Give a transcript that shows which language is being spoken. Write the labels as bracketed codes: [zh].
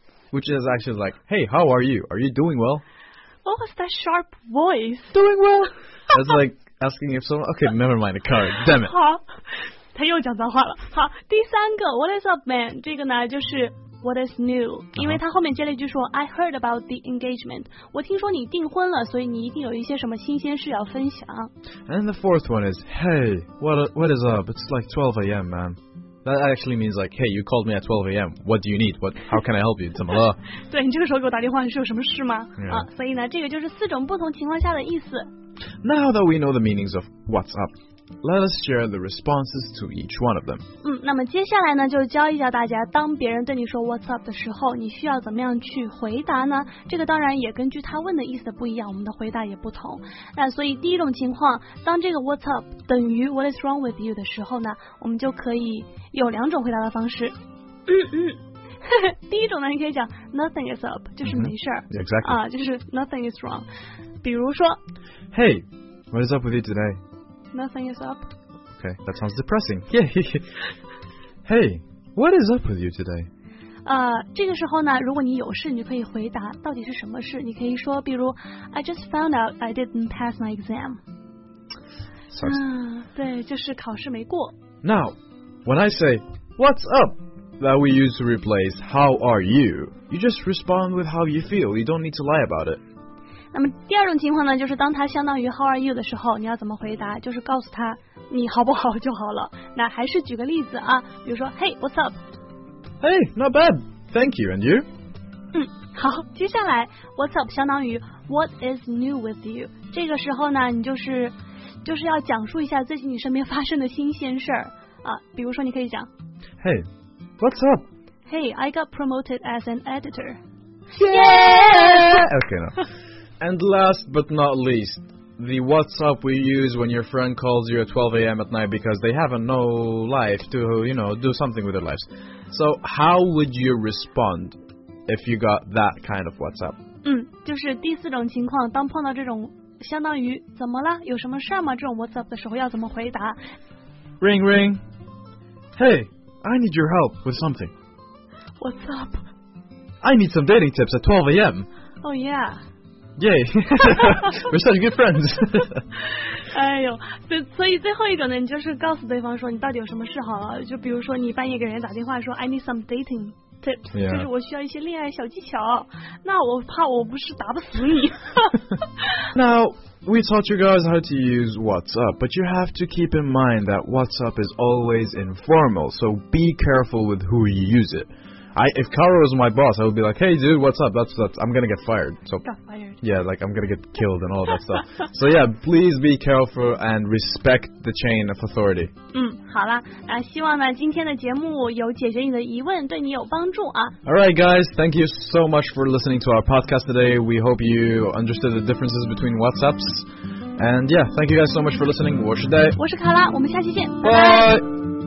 [en] Which is actually like, hey, how are you? Are you doing well? What was that sharp voice? Doing well. That's like asking if someone... Okay, never mind the card. Damn it. [zh] 好，他又讲脏话了。好，第三个 [en] ,what is up, man? [zh] 这个呢就是 [en] what is new?、Uh-huh. [zh] 因为他后面接了一句说 [en] I heard about the engagement. [zh] 我听说你订婚了，所以你一定有一些什么新鲜事要分享。 [en] And the fourth one is, hey, what is up? It's like 12 a.m., man. That actually means like, hey, you called me at 12 a.m. What do you need? How can I help you? [zh] 怎么了？对，你这个时候给我打电话是有什么事吗？ [en] Yeah. [zh] 所以呢，这个就是四种不同情况下的意思。 [en] Now that we know the meanings of what's up, let us share the responses to each one of them. [zh] 那么接下来呢，就教一教大家，当别人对你说 what's up 的时候，你需要怎么样去回答呢？这个当然也根据他问的意思不一样，我们的回答也不同。那所以第一种情况，当这个 what's up 等于 [en] what is wrong with you [zh] 的时候呢，我们就可以有两种回答的方式。第一种呢，你可以讲 [en] nothing is up， [zh] 就是没事儿。 [en] Mm-hmm. Exactly. [zh] 啊，就是 [en] nothing is wrong。 [zh] 比如说 [en] ，Hey， what is up with you today？ Nothing is up。 Okay， that sounds depressing. Yeah. Hey， what is up with you today？ [zh] 这个时候呢，如果你有事，你可以回答到底是什么事。你可以说，比如 [en] ，I just found out I didn't pass my exam。 [zh] 对，就是考试没过。 [en] Now, when I say "What's up?" that we use to replace "How are you?" you just respond with how you feel. You don't need to lie about it. [zh] 那么第二种情况呢，就是当它相当于 [en] "How are you?" [zh] 的时候，你要怎么回答？就是告诉他你好不好就好了。那还是举个例子啊，比如说 [en] "Hey, what's up?" Hey, not bad. Thank you. And you? [zh] 好，接下来 [en] "What's up?" 相当于 "What is new with you?" [zh] 这个时候呢，你就是要讲述一下最近你身边发生的新鲜事儿啊，比如说你可以讲 [en] ，Hey, what's up? Hey, I got promoted as an editor. Yeah. Okay. No. And last but not least, the what's up we use when your friend calls you at 12 a.m. at night because they have no life to, you know, do something with their lives. So how would you respond if you got that kind of what's up? [zh] 就是第四种情况，当碰到这种。相当于怎么了？有什么事吗？这种 What's up 的时候要怎么回答 [en] ？Ring ring. Hey, I need your help with something. What's up? I need some dating tips at 12 a.m. Oh yeah. Yay. We're such good friends. [zh] 哎呦，所以最后一种呢，你就是告诉对方说你到底有什么事好了。就比如说你半夜给人家打电话说 [en] I need some dating tips，、 yeah. [zh] 就是我需要一些恋爱小技巧。那我怕我不是打不死你。 [en] Now, we taught you guys how to use what's up, but you have to keep in mind that what's up is always informal, so be careful with who you use it. If Caro was my boss, I would be like, hey dude, what's up, that's, I'm gonna get fired. So, got fired. Yeah, like I'm gonna get killed and all that stuff. So yeah, please be careful and respect the chain of authority. [zh] 好啦，希望呢今天的节目有解决你的疑问，对你有帮助啊。 [en] Alright guys, thank you so much for listening to our podcast today. We hope you understood the differences between WhatsApps. And yeah, thank you guys so much for listening. [zh] 我是 [en] Day. [zh] 我是卡拉，我们下期见，拜拜。